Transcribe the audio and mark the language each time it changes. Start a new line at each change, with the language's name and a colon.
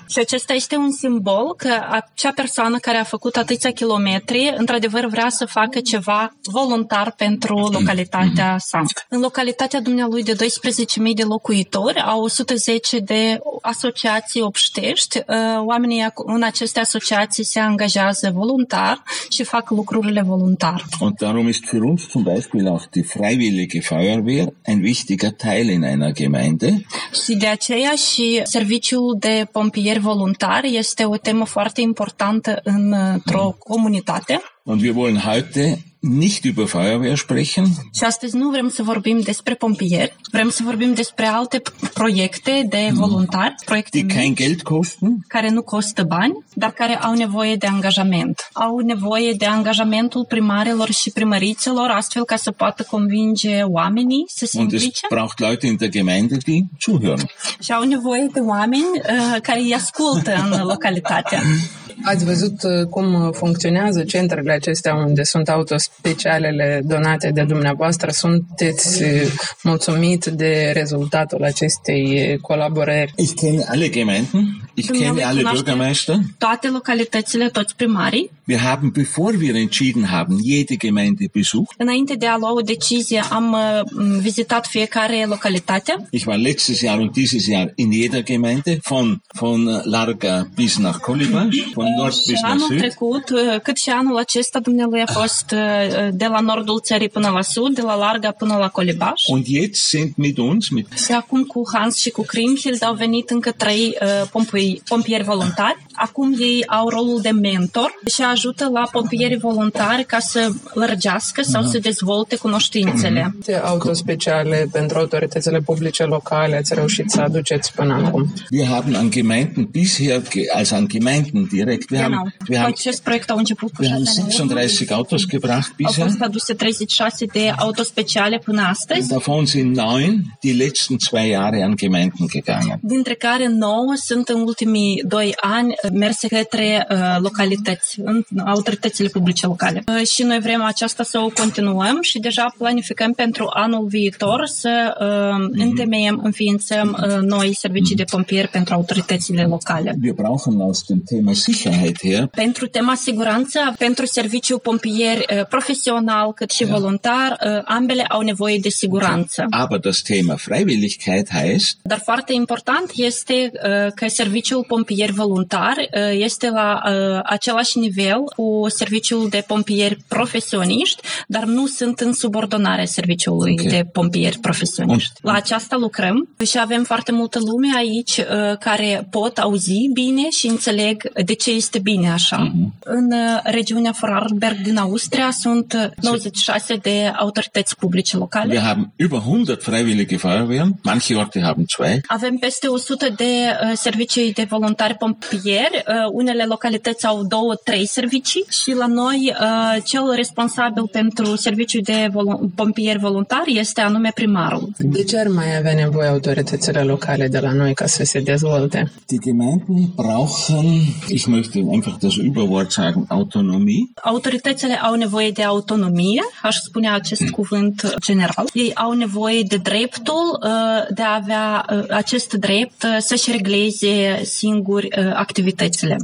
Romanian: Și acesta este un simbol că acea persoană care a făcut atâția kilometri, într-adevăr vrea să facă ceva voluntar pentru localitatea sa. În localitatea dumnealui de 12.000 de locuitori, au 110 de asociații obștești. Oamenii în aceste asociații se angajează voluntar și fac lucrurile voluntar.
German: Und darum ist für uns zum Beispiel auch die Freiwillige Feuerwehr ein wichtiger Teil in einer Gemeinde.
Romanian: Și de aceea și serviciul de pompieri voluntari este o temă foarte importantă într-o comunitate.
German: Und wir wollen heute nicht über Feuerwehr sprechen.
Romanian: Și astăzi nu vrem să vorbim despre pompieri, vrem să vorbim despre alte proiecte de voluntari, proiecte
German: die kein Geld kosten,
Romanian: care nu costă bani, dar care au nevoie de angajament. Au nevoie de angajamentul primarilor și primărițelor, astfel ca să poată convinge oamenii să se implice.
German: Und es braucht Leute in der Gemeinde, die zuhören.
Romanian: Și au nevoie de oameni care îi ascultă în localitatea. Ați văzut cum funcționează centrele acestea unde sunt autospecialele donate de dumneavoastră? Sunteți mulțumit de rezultatul acestei colaborări?
German: Ich kenne alle Gemeinden, ich kenne alle Bürgermeister.
Romanian: Toate localitățile, toți primarii.
German: Wir haben, bevor wir entschieden haben, jede Gemeinde besucht.
Romanian: Înainte de a lua o decizie, am vizitat fiecare localitate.
German: Ich war letztes Jahr und dieses Jahr in jeder Gemeinde, von Larga bis nach Kolibas.
Romanian: Și anul trecut, cât și anul acesta, dumnealui a fost de la nordul țării până la sud, de la Larga până la Colibaș.
German: Und jetzt sind mit uns,
Romanian: Și acum cu Hans și cu Krimhild au venit încă trei pompieri voluntari. Acum ei au rolul de mentor și ajută la pompierii voluntari ca să lărgească sau să dezvolte cunoștințele. Câte auto speciale pentru autoritățile publice locale ați reușit să aduceți până acum?
German: Wir haben an Gemeinden bisher als an Gemeinden direkt.
Romanian: Acest proiect a început cu
German: 36 autos gebracht bisher.
Romanian: Au fost aduse 36 de auto speciale până astăzi.
German: Und davon sind 9 die letzten 2 Jahre an Gemeinden gegangen.
Romanian: Dintre care 9 sunt în ultimii 2 ani merse către localități, în autoritățile publice locale. Și noi vrem aceasta să o continuăm și deja planificăm pentru anul viitor să întemeiem, înființăm noi servicii de pompieri pentru autoritățile locale.
German: Wir brauchen aus dem Thema Sicherheit her.
Romanian: Pentru tema siguranță, pentru serviciul pompieri profesional cât și voluntar, ambele au nevoie de siguranță.
German: Aber das Thema Freiwilligkeit heißt...
Romanian: Dar foarte important este că serviciul pompieri voluntar este la același nivel cu serviciul de pompieri profesioniști, dar nu sunt în subordonare serviciului de pompieri profesioniști. La aceasta lucrăm și avem foarte multă lume aici care pot auzi bine și înțeleg de ce este bine așa. În regiunea Vorarlberg din Austria sunt 96 de autorități publice locale.
German: Wir haben über 100 freiwillige Feuerwehren, manche Orte haben 2.
Romanian: Avem peste 100 de servicii de voluntari pompieri, unele localități au 2-3 servicii și la noi cel responsabil pentru serviciul de pompieri voluntari este anume primarul. De ce ar mai avea nevoie autoritățile locale de la noi ca să se dezvolte?
German: Die Gemeinden brauchen, ich möchte einfach das Überwort sagen, Autonomie.
Romanian: Autoritățile au nevoie de autonomie, aș spune acest cuvânt general. Ei au nevoie de dreptul de a avea acest drept să-și regleze singuri activitățile.